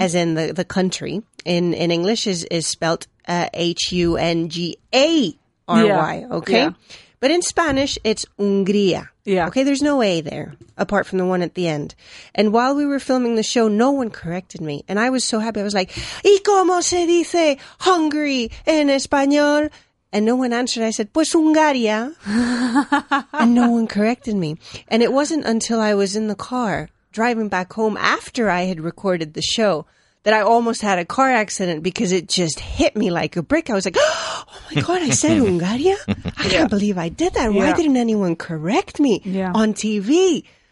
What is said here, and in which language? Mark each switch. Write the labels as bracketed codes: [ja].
[en] as in the country, in English is spelt H-U-N-G-A-R-Y. Yeah. Okay. Yeah. But in Spanish, it's Hungría. Yeah. Okay, there's no A there, apart from the one at the end. And while we were filming the show, no one corrected me. And I was so happy. I was like, [es] ¿y cómo se dice Hungary en español? [en] And no one answered. I said, [es] pues Hungaria. [en] And no one corrected me. And it wasn't until I was in the car driving back home after I had recorded the show that I almost had a car accident, because it just hit me like a brick. I was like, oh my God, I said Hungaria? I can't believe I did that. Why didn't anyone correct me on TV?